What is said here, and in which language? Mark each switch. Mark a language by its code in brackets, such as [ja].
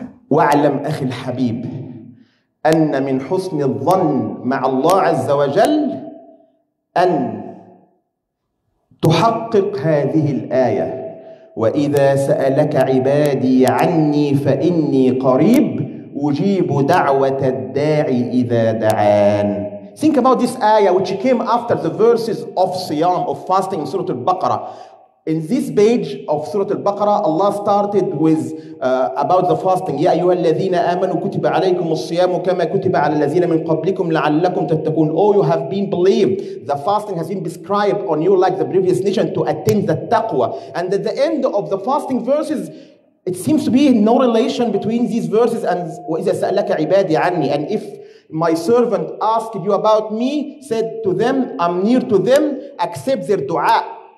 [ar] وَعْلَمْ أَخِي الْحَبِيبِ أَنَّ مِنْ حُسْنِ الظَّنِّ مَعَ اللَّهِ عَزَّ وَجَلْ أَنْ تُحَقِّقْ هَذِهِ الْآيَةِ وَإِذَا سَأَلَكَ عِبَادِي عَنِّي فَإِنِّي قَرِيبُ أُجِيبُ دَعْوَةَ الدَّاعِ إِذَا دَعَانِ. [en] Think about this ayah which came after the verses of siyam, of fasting in Surah Al-Baqarah. In this page of Surah Al-Baqarah, Allah started with about the fasting. [ar] يا أيها الذين آمنوا كتب عليكم الصيام كما كتب على الذين من قبلكم لعلكم تتقون. [en] Oh, you have been believed. The fasting has been prescribed on you like the previous nation to attain the taqwa. And at the end of the fasting verses, it seems to be no relation between these verses and [ar] وإذا سألك عبادي عني. [en] And if my servant asked you about me, said to them, I'm near to them, accept their dua.